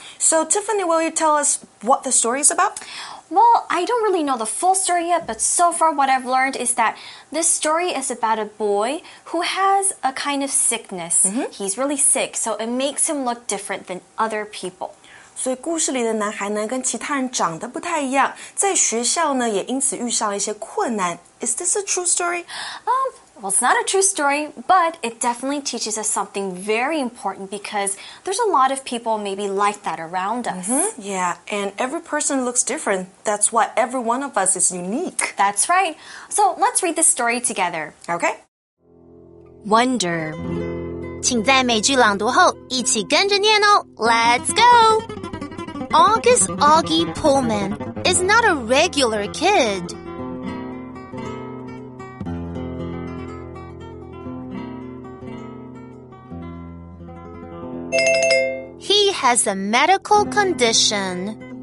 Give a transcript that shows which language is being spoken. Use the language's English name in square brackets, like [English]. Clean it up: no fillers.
[English] So Tiffany, will you tell us what the story is about? Well, I don't really know the full story yet, but so far what I've learned is that this story is about a boy who has a kind of sickness. He's really sick, so it makes him look different than other people. [Chinese] 所以故事里的男孩呢跟其他人长得不太一样，在学校呢也因此遇上了一些困难。 [English] Is this a true story? Well, it's not a true story, but it definitely teaches us something very important because there's a lot of people maybe like that around us. Yeah, and every person looks different. That's why every one of us is unique. That's right. So let's read this story together. Okay. Wonder. [Chinese] 请在每句朗读后一起跟着念哦。 [English] Let's go! August Augie Pullman is not a regular kid. He has a medical condition.